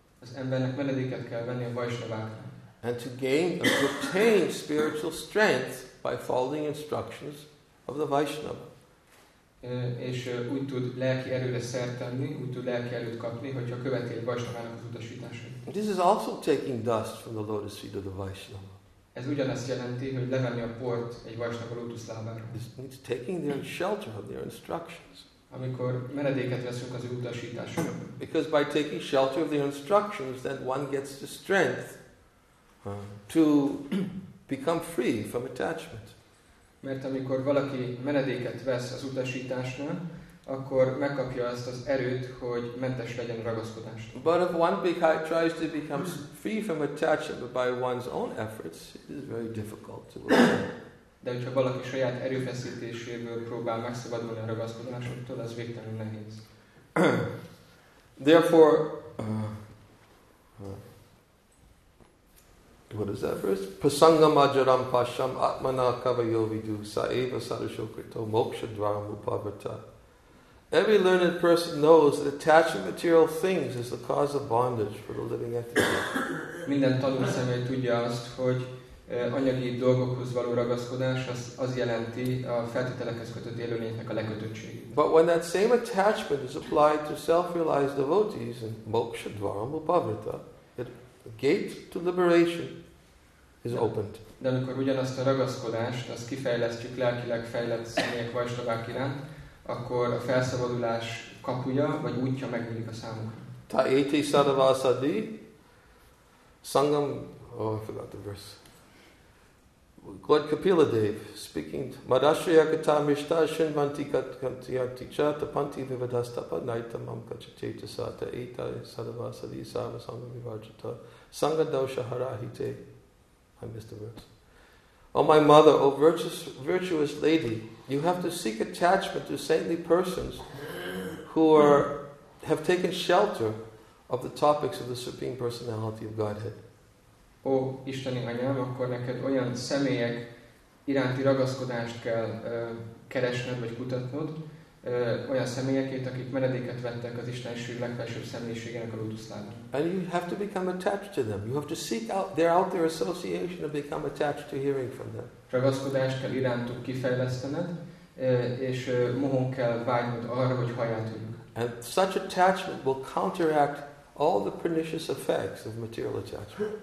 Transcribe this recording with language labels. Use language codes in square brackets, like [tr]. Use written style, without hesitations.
[hu] Az embernek menedéket kell venni a Vaishnavákra. [en] And to gain and obtain spiritual strength by following instructions of the Vaishnava. [hu] És úgy tud lelki erőre szert tenni, úgy tud lelki erőt kapni, hogyha követi egy Vaishnavának az utasításait. [en] This is also taking dust from the lotus feet of the Vaishnava. [hu] Ez ugyanezt jelenti, hogy levenni a port egy Vaishnava lótusz lábára. [en] This means taking their shelter of their instructions. [hu] Amikor menedéket veszünk az utasításokra. [en] Because by taking shelter of their instructions, then one gets the strength to become free from attachment. [hu] Mert amikor valaki menedéket vesz az utasításnál, akkor megkapja azt az erőt, hogy mentes legyen ragaszkodást. [en] But if one bhikkhu tries to become free from attachment by one's own efforts, it is very difficult to obtain. [hu] De hogyha valaki saját erőfeszítéséből próbál megszabadulni a ragaszkodásoktól, az végtelenül nehéz. [en] Therefore, what is that verse? [sa] Pasangam ajaram pasham atmana kavayo vidu sa eva sarashokrito moksha dvaram upavrata. [en] Every learned person knows that attaching material things is the cause of bondage for the living entity. [hu] Minden tanult személy tudja azt, hogy anyagi dolgokhoz való ragaszkodás az jelenti a feltételekhez kötött élőlénynek a lekötöttségét. [en] But when that same attachment is applied to self-realized devotees in [sa] moksha dvaram upavrata, [en] the gate to liberation is opened. [hu] De amikor ugyanazt a ragaszkodást, azt kifejlesztjük lelkileg fejlett személyek Vaishnavák iránt, akkor a felszabadulás kapuja vagy útja megnyílik a számukra. [sa] Ta eti sarvasadi sangam, [en] I forgot the verse. Lord Kapila Dev speaking. [sa] Madashriya kata mishta shinvanti katkanti anticha tapanti vivadasta padnaita mam kachacheta sata eta sadavasa di sava sanga vivajata sanga dosha harahite. [en] I missed the verse. Oh, my mother, oh, virtuous lady, you have to seek attachment to saintly persons who are have taken shelter of the topics of the Supreme Personality of Godhead. [hu] Ó, Isteni anyám, akkor neked olyan személyek iránti ragaszkodást kell keresned vagy kutatnod, olyan személyekét, akik menedéket vettek az Istenség legfelsőbb személyiségének a lótuszlábán. [en] And you have to become attached to them. You have to seek out their association and become attached to hearing from them. [hu] Ragaszkodást kell irántuk kifejlesztened, és mohon kell vágynod arra, hogy hallják tőlük. [en] And such attachment will counteract all the pernicious effects of material attachment.